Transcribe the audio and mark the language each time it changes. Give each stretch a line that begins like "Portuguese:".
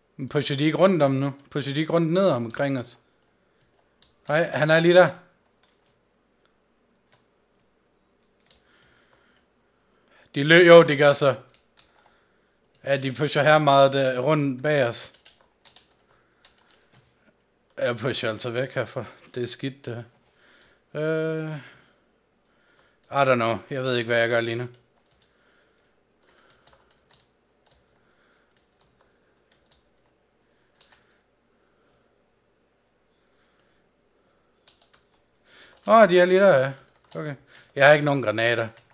Danish: Pusher de ikke rundt om nu? Pusher de ikke rundt ned omkring os? Nej, han er lige der. De løb, jo, de gør så. Ja, de pusher her meget der, rundt bag os. Jeg pusher altså væk herfra. Det er skidt, det her.
English: I don't know.
Danish: Jeg ved ikke, hvad jeg gør lige nu. Åh, de er lige der, ja. Okay. Jeg har ikke nogen granater.